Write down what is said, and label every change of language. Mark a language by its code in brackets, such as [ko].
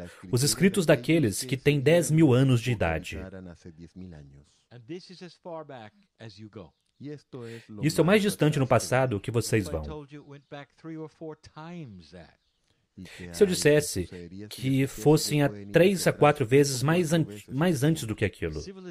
[pt] Os escritos daqueles que têm 10 mil anos de idade. [en] And this is as far back as you go. [pt] Isso é o mais distante no passado que vocês vão. Se eu dissesse que fossem a três a quatro vezes mais antes do que aquilo.